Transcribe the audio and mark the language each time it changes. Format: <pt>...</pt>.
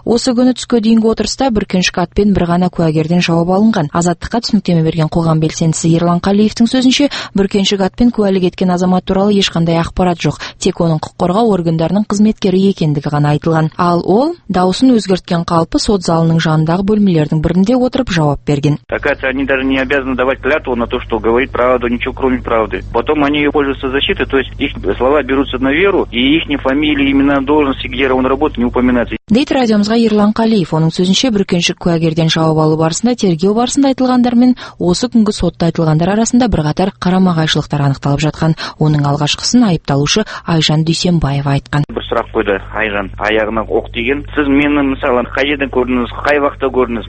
<kk>Осы күні түске дейінгі отырыста бүркеншік атпен бір ғана куәгерден жауап алынған. Азаттыққа түсініктеме берген қоғам белсендісі Ерлан Қалиевтің сөзінше, бүркеншік атпен куәлік еткен азамат туралы ешқандай ақпарат жоқ, тек оның құқық қорғау органдарының қызметкері екендігі ғана айтылған. Ал ол даусын өзгерткен қалпы сот залының жанындағы бөлмелердің бірінде отырып жауап берген.</kk> <ru>Оказывается, они даже не обязаны давать клятву на то, что говорит правду, ничего кроме правды. Потом они пользуются защитой, то есть их слова берутся на веру и ихні фамилии, имена, должности, где он работает, не упоминается.</ru> <kk>Дейт радиомызға Ерлан Қалиев, оның сөзінше бүркеншік куәгерден жауап алу барысында тергеу барысында айтылғандар мен осы күнгі сотта айтылғандар арасында бірқатар қарама-қайшылықтар анықталып жатқан. Оның алғашқысын айыпталушы Айжан Дүйсенбаева айтқан. Бір сұрақ қойды Айжан, аяғына оқ тиген. Сіз мені мысалы қай жерден көрдіңіз, қай уақытта көрдіңіз?</kk>